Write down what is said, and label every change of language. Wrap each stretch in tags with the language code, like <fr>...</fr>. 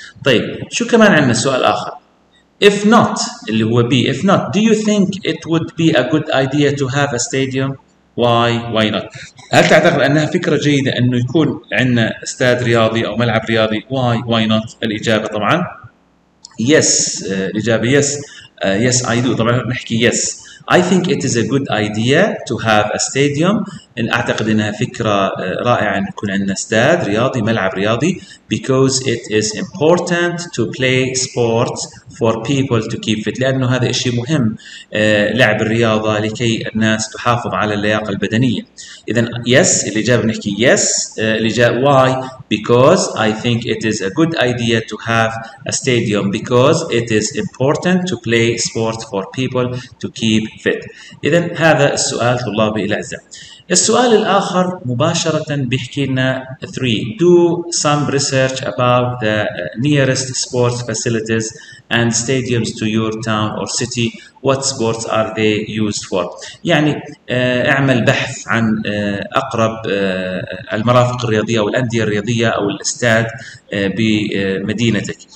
<ar>طيب شو كمان عندنا سؤال اخر؟</ar> <en>If not</en> <ar>اللي هو B،</ar> <en>if not do you think it would be a good idea to have a stadium؟ Why not؟</en> <ar>هل تعتقد انها فكره جيده انه يكون عندنا استاد رياضي او ملعب رياضي؟</ar> <en>Why not؟</en> <ar>الاجابه طبعا</ar> <en>yes، الاجابه yes، yes I do.</en> <ar>طبعا نحكي</ar> <en>yes I think it is a good idea to have a stadium.</en> <ar>إن أعتقد أنها فكرة رائعة أن يكون عندنا استاد رياضي، ملعب رياضي.</ar> <en>Because it is important to play sports for people to keep fit.</en> <ar>لأنه هذا شيء مهم، لعب الرياضة لكي الناس تحافظ على اللياقة البدنية. إذا yes الإجابة بنحكي yes. الإجابة</ar> <en>why؟ Because I think it is a good idea to have a stadium. Because it is important to play sports for people to keep fit.</en> <ar>إذا هذا السؤال طلابي الأعزاء. السؤال الآخر مباشرة بيحكي لنا</ar> <en>3 do some research about the nearest sports facilities and stadiums to your town or city. What sports are they used for؟</en> <ar>يعني اعمل بحث عن أقرب المرافق الرياضية أو الأندية الرياضية أو الأستاد بمدينتك.</ar>